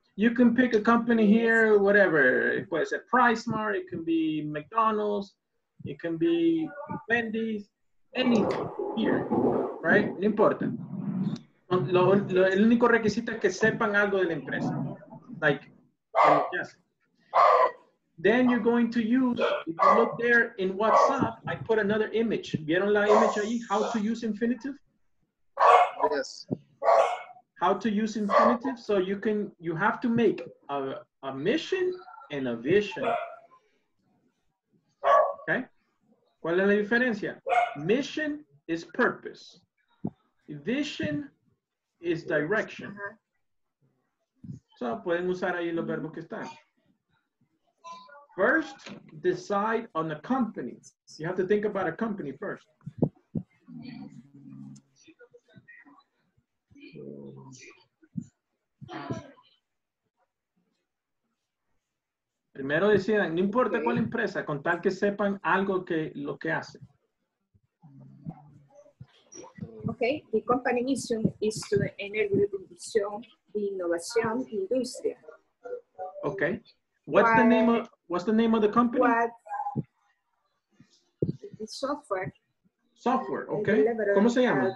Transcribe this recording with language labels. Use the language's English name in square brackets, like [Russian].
[English] You can pick a company here, whatever. It [Spanish] puede ser [English] Pricemart, it can be McDonald's. It can be Wendy's, any here, right? [Spanish] No importa. El único requisito es que sepan algo de la empresa. [English] Like, yes. Then you're going to use, if you look there in WhatsApp, I put another image. [Spanish] ¿Vieron la image ahí? [English] How to use infinitive? Yes. How to use infinitive? So you can, you have to make a mission and a vision. Okay? [Spanish] ¿Cuál es la diferencia? [English] Mission is purpose. Vision is direction. [Spanish] So, pueden usar ahí los verbos que están. [English] First, decide on a company. You have to think about a company first. [Spanish] Primero decidan, no importa cuál empresa, con tal que sepan algo que lo que hacen. [English] Okay, the company mission is to enable the division, the innovation, the industry. Okay. What's the name of the company? What? The software. Software, okay. [Spanish] ¿Cómo se llama?